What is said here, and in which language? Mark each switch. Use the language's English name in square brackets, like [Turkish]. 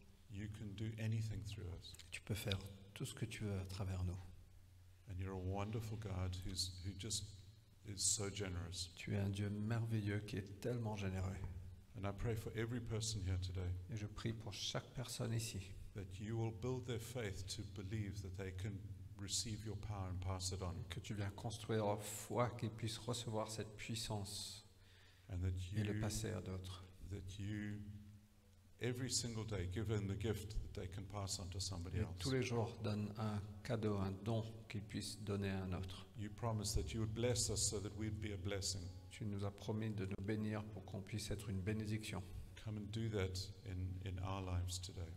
[English] You can do anything through us. [French] Tu peux faire tout ce que tu veux à travers nous. [English] And you're a wonderful God who just is so generous. [French] Tu es un Dieu merveilleux qui est tellement généreux. [English] And I pray for every person here today. [French] Et je prie pour chaque personne ici. [English] That you will build their faith to believe that they can receive your power and pass it on. [French] Que tu viens construire leur foi qu'ils puissent recevoir cette puissance et le passer à d'autres. [English] That you every single day give them the gift that they can pass on to somebody else. [French] Tous les jours donne un cadeau, un don qu'ils puissent donner à un autre. [English] You promised that you would bless us so that we'd be a blessing. [French] Tu nous as promis de nous bénir pour qu'on puisse être une bénédiction. [English] Come and do that in our lives today.